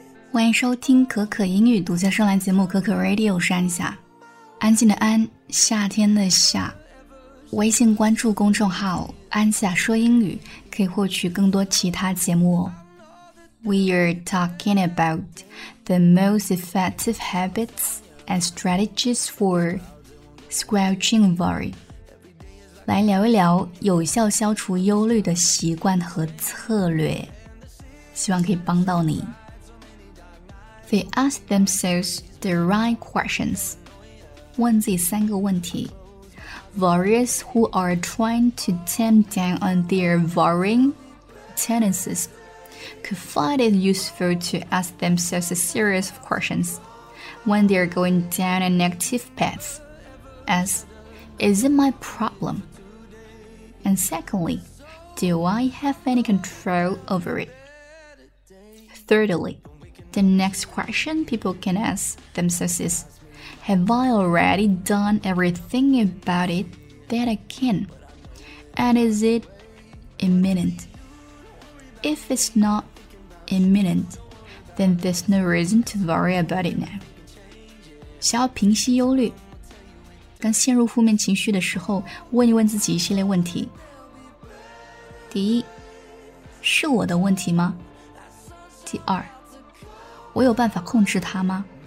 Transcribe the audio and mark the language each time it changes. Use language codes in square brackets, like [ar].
[zh] 欢迎收听可可英语独家专栏节目可可 Radio， 我是安夏，安静的安，夏天的夏。微信关注公众号安夏说英语，可以获取更多其他节目哦。 [en] We are talking about the most effective habits and strategies for squelching worry. [zh] 来聊一聊有效消除忧虑的习惯和策略，希望可以帮到你。 [en] They ask themselves the right questions. [zh] 问自己三个问题。 [en] Warriors who are trying to tamp down on their worrying tendencies could find it useful to ask themselves a series of questions when they are going down a negative path. As, is it my problem? And secondly, do I have any control over it? Thirdly,The next question people can ask themselves is, Have I already done everything about it that I can? And is it imminent? If it's not imminent, then there's no reason to worry about it now. [zh] 想要平息忧虑，当陷入负面情绪的时候，问一问自己一系列问题。第一，是我的问题吗？第二，我有办法控制它吗？